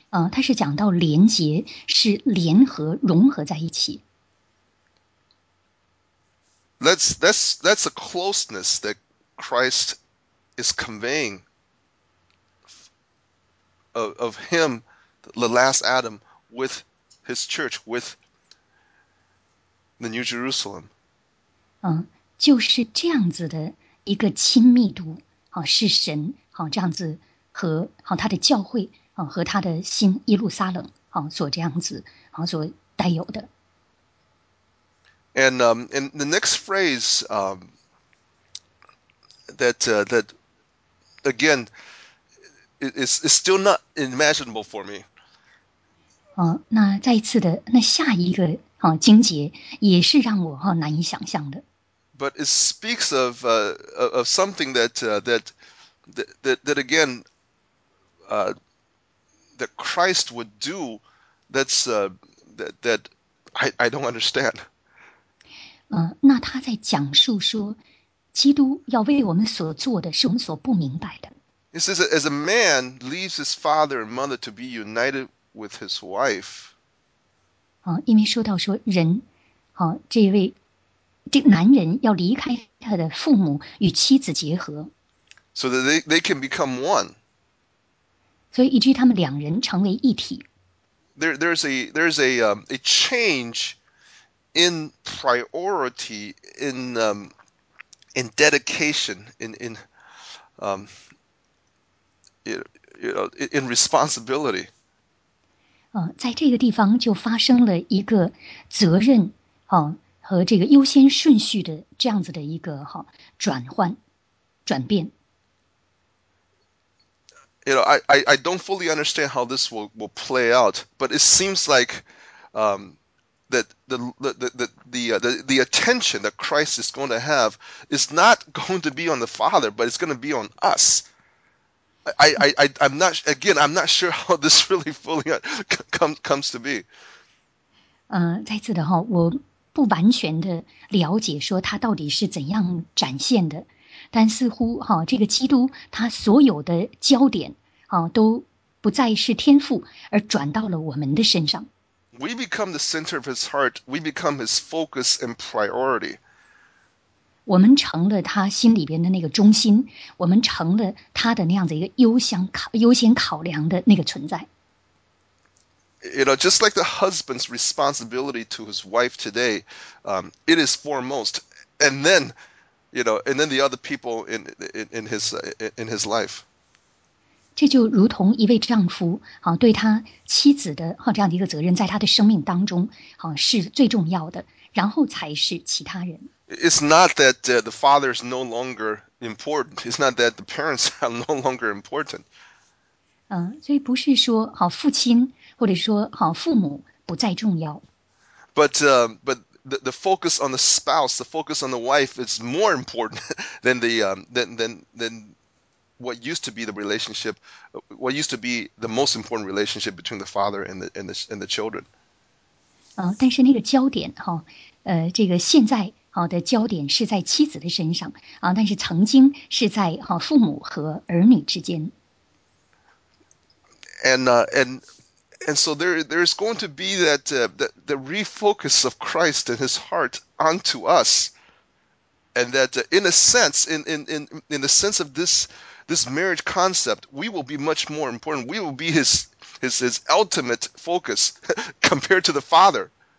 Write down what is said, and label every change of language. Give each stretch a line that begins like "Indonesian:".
Chinese: 它是讲到连结，是联合、融合在一起。
English: That's the closeness that Christ is conveying of Him. The last Adam with his church, with the New Jerusalem.
Chinese: 就是这样子的一个亲密度，是神，这样子和他的教会，和他的新耶路撒冷，所这样子，所带有的。
English: And the next phrase, that again, is still not imaginable for me.
Chinese: 那再一次的，那下一个经节也是让我难以想象的。
English: But it speaks of of something that that again that Christ would do. That's that I don't understand.
Chinese: 那他在讲述说，基督要为我们所做的是我们所不明白的。
English: He says, as a man leaves his father and mother to be united with his wife.
Chinese: 因为说到说人，这位这男人要离开他的父母与妻子结合。
English: So that they can become one.
Chinese: 所以以至于他们两人成为一体。
English: There's a change in priority, in dedication, in responsibility.
Chinese: 在这个地方就发生了一个责任和这个优先顺序的这样子的一个转变。
English: You know, I don't fully understand how this will play out, but it seems like that the attention that Christ is going to have is not going to be on the Father, but it's going to be on us. I'm not sure how this really fully comes to be.
Chinese: 再次的哈，我不完全的了解说它到底是怎样展现的，但似乎这个基督他所有的焦点。都不再是天父，而转到了我们的身上。
English: We become the center of his heart. We become his focus and priority.
Chinese: 我们成了他心里边的那个中心，我们成了他的那样的一个优先考量的那个存在。
English: You know, just like the husband's responsibility to his wife today, it is foremost, and then, you know, and then the other people in his life.
Chinese: 这就如同一位丈夫对他妻子的这样的一个责任在他的生命当中是最重要的然后才是其他人。
English: It's not that the father is no longer important. It's not that the parents are no longer important.
Chinese: 所以不是说父亲或者说父母不再重要。
English: But, but the focus on the spouse, the focus on the wife is more important than the, than,What used to be the relationship, what used to be the most important relationship between the father and the children.
Chinese: 但是那个焦点这个现在的焦点是在妻子的身上但是曾经是在父母和儿女之间。
English: And so there is going to be that the refocus of Christ and His heart onto us, and that in a sense, in the sense of this. This marriage concept, we will be much more important. We will be his ultimate focus compared to the father.